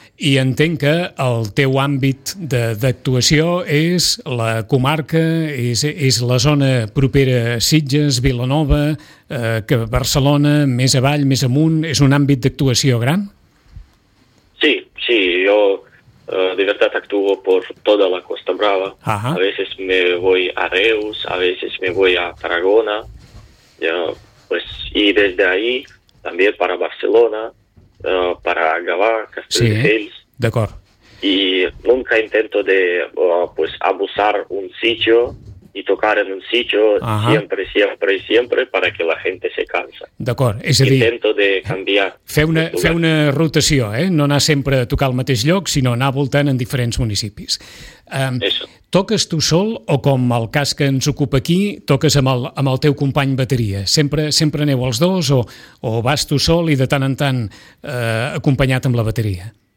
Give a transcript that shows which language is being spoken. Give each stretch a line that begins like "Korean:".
Catalan: I entenc que el teu àmbit d'actuació és la comarca, és la zona propera a Sitges, Vilanova, que Barcelona, més avall, més amunt, és un àmbit d'actuació gran? Sí.
Spanish: Sí, yo de verdad actúo por toda la Costa Brava. Ajá. A veces me voy a Reus, a veces me voy a Tarragona, pues, y desde ahí también para Barcelona, para Gavà, Castelldefels.
Catalan: Sí, d'acord.
Spanish: Y nunca intento de pues abusar un sitio y tocar en un sitio. Ajá. Siempre, siempre, siempre para que la gente se cansa.
Catalan: D'acord, és a dir...
Spanish: Intento de canviar.
Catalan: Fer una rotació, No anar sempre a tocar al mateix lloc, sinó anar voltant en diferents municipis. Toques tu sol o, com el cas que ens ocupa aquí, toques amb el teu company bateria? Sempre aneu els dos o vas tu sol i de tant en tant acompanyat amb la bateria?